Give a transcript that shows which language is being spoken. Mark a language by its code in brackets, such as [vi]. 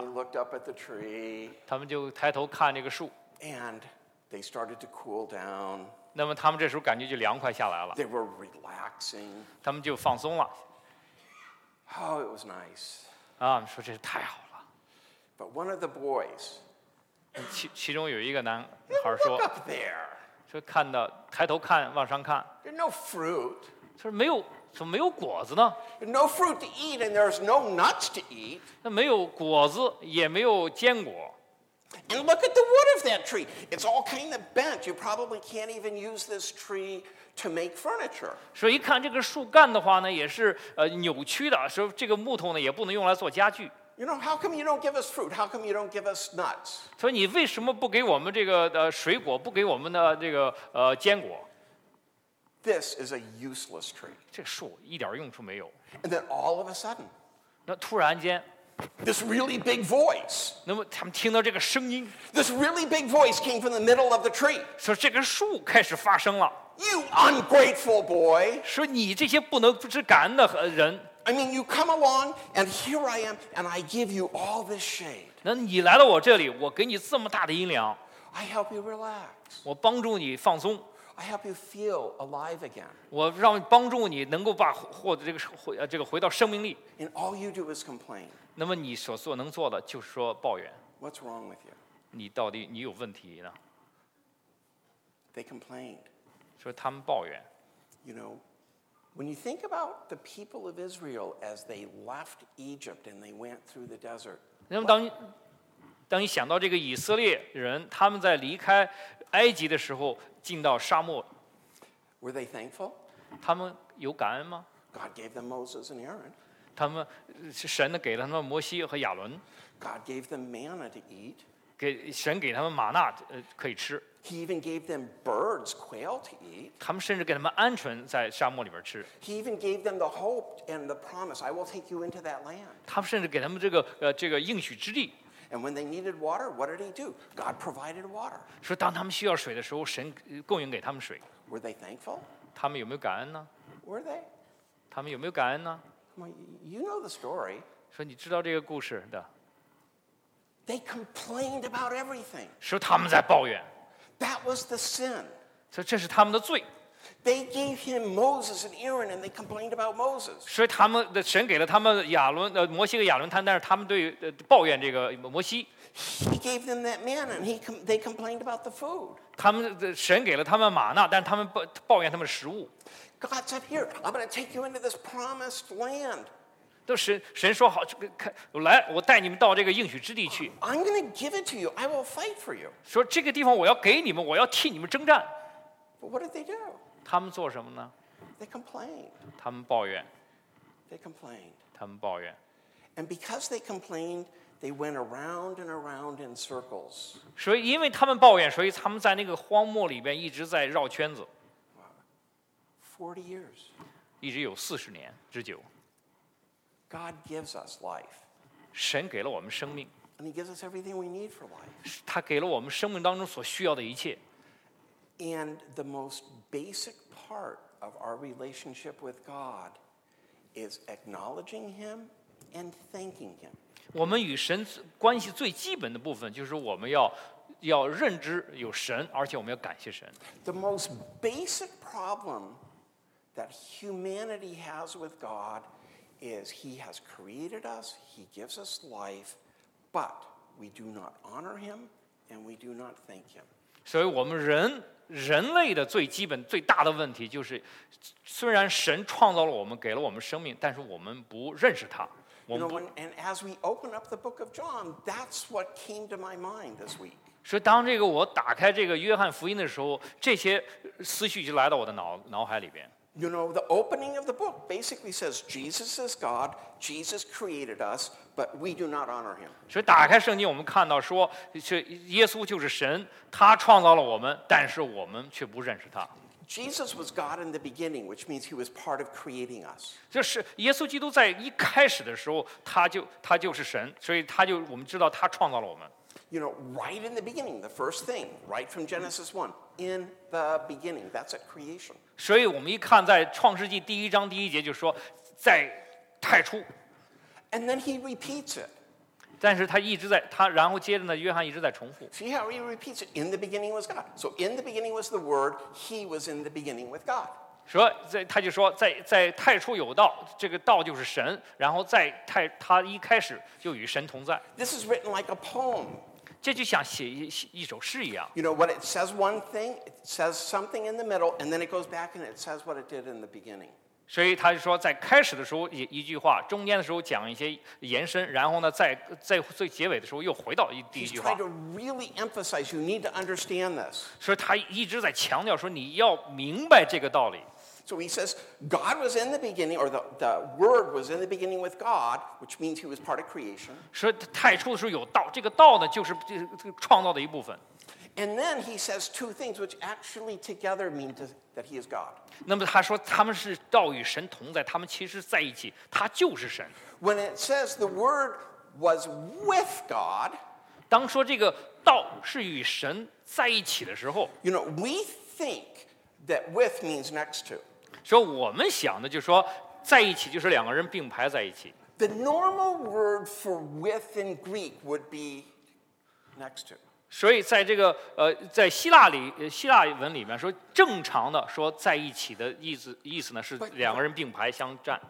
[en] They looked up at the tree. [zh] 他们就抬头看这个树。 [en] And they started to cool down. [zh] 那么他们这时候感觉就凉快下来了。 [en] They were relaxing. [zh] 他们就放松了。 [en] Oh, it was nice. [zh] 说这是太好了。 [en] But one of the boys, [zh] 其中有一个男孩说 [en] look up there. [zh] 说看到抬头看往上看 [en] There's no fruit. [zh] 说没有怎么没有果子呢 [en] There's no fruit to eat and there's no nuts to eat. [zh] 没有果子也没有坚果。 [en] And look at the wood of that tree. It's all kind of bent. You probably can't even use this tree to make furniture. [zh] 所以一看这个树干的话呢，也是扭曲的。说这个木头呢，也不能用来做家具。 [en] You know, how come you don't give us fruit? How come you don't give us nuts? [zh] 所以你为什么不给我们这个水果，不给我们的这个坚果？ [en] This is a useless tree. [zh] 这树一点用处没有。 [en] And then all of a sudden, [zh] 那突然间。 [en] This really big voice. [zh] 那么他们听到这个声音。 [en] This really big voice came from the middle of the tree. [zh] 说这个树开始发声了。 [en] You ungrateful boy. [zh] 说你这些不能不知感恩的人。 [en] I mean, you come along, and here I am, and I give you all this shade. [zh] 那你来到我这里，我给你这么大的阴凉。 [en] I help you relax. [zh] 我帮助你放松。 [en] I help you feel alive again. [zh] 我让帮助你能够把获得这个回到生命力。 [en] And all you do is complain. [zh] 那么你所做能做的就是说抱怨。 [en] What's wrong with you? [zh] 你到底你有问题呢 [en] ？They complained. [zh] 说他们抱怨。 [en] You know, when you think about the people of Israel as they left Egypt and they went through the desert. [zh] 那么当你想到这个以色列人他们在离开埃及的时候进到沙漠 [en] ，Were they thankful? [zh] 他们有感恩吗 [en] ？God gave them Moses and Aaron. [zh] 他们神给了他们摩西和亚伦。 [en] God gave them manna to eat. [zh] 神给他们玛纳可以吃。 [en] He even gave them birds, quail to eat. [zh] 他们甚至给他们鹌鹑在沙漠里边吃。 [en] He even gave them the hope and the promise, I will take you into that land. [zh] 他们甚至给他们这个应许之地。 [en] And when they needed water, what did he do? God provided water. [zh] 说当他们需要水的时候，神供应给他们水。 [en] Were they thankful? [zh] 他们有没有感恩呢 [en] ？Were they? [zh] 他们有没有感恩呢？ [en] You know the story. [zh] 说你知道这个故事的。 [en] They complained about everything. [zh] 说他们在抱怨。 [en] That was the sin. [zh] 说这是他们的罪。 [en] They gave him Moses and Aaron, and they complained about Moses. [zh] 说他们的神给了他们亚伦摩西和亚伦他，但是他们对抱怨这个摩西。 [en] He gave them that manna, and they complained about the food. [zh] 他们神给了他们玛纳，但他们抱怨他们食物。 [en] God's up here. I'm going to take you into this promised land. [zh] 都神说好，来，我带你们到这个应许之地去。 [en] I'm going to give it to you. I will fight for you. [zh] 说这个地方我要给你们，我要替你们征战。 [en] But what did they do? [zh] 他们做什么呢 [en] ？They complained. [zh] 他们抱怨。 [en] They complained. [zh] 他们抱怨。 [en] And because they complained, they went around and around in circles. [zh] 所以因为他们抱怨，所以他们在那个荒漠里边一直在绕圈子。 [en] 40 years, [zh] 一直有四十年之久。 [en] God gives us life. [zh] 神给了我们生命。 [en] And He gives us everything we need for life. [zh] 他给了我们生命当中所需要的一切。 [en] And the most basic part of our relationship with God is acknowledging Him and thanking Him. [zh] 我们与神关系最基本的部分就是我们要认知有神，而且我们要感谢神。 [en] The most basic problem that humanity has with God is he has created us, he gives us life, but we do not honor him and we do not thank him. [zh] 所以我们人类的最基本最大的问题就是，虽然神创造了我们，给了我们生命，但是我们不认识他。 [en] And as we open up the book of John, that's what came to my mind this week. [zh] 所以当这个我打开这个约翰福音的时候，这些思绪就来到我的脑海里边。 [en] You know, the opening of the book basically says Jesus is God, Jesus created us, but we do not honor him. [zh] 所以打开圣经，我们看到说，耶稣就是神，他创造了我们，但是我们却不认识他。 [en] Jesus was God in the beginning, which means he was part of creating us. [zh] 就是耶稣基督在一开始的时候，他就是神，所以他就我们知道他创造了我们。 [en] You know, right in the beginning, the first thing, right from Genesis 1, in the beginning, that's a creation. [zh] 所以我们一看在创世纪第一章第一节就说在太初。 [en] And then he repeats it. [zh] 但是他一直在他然后接着呢约翰一直在重复。 [en] See how he repeats it? In the beginning was God. So in the beginning was the word, he was in the beginning with God. [zh] 说在他就说在太初有道，这个道就是神，然后在太他一开始就与神同在。 [en] This is written like a poem. [zh] 这就像写 一首诗一样。 [en] You know what it says one thing, it says something in the middle, and then it goes back and it says what it did in the beginning. [zh] 所以他就说在开始的时候 一句话，中间的时候讲一些延伸，然后呢在最结尾的时候又回到第一句话。 [en] He's trying to really emphasize you need to understand this. [zh] 所以他一直在强调说你要明白这个道理。 [en] So he says, God was in the beginning, or the word was in the beginning with God, which means he was part of creation. [zh] 说太初的时候有道，这个道呢就是创造的一部分。 [en] And then he says two things, which actually together mean that he is God. [zh] 那么他说他们是道与神同在，他们其实在一起，他就是神。 [en] When it says the word was with God, [zh] 当说这个道是与神在一起的时候， [en] you know, we think that with means next to. [zh] 所以我们想的就是说在一起就是两个人并排在一起。 [en] The normal word for with in Greek would be next to. [zh] 所以在这个在希腊文里面说正常的说在一起的意思呢是两个人并排相站。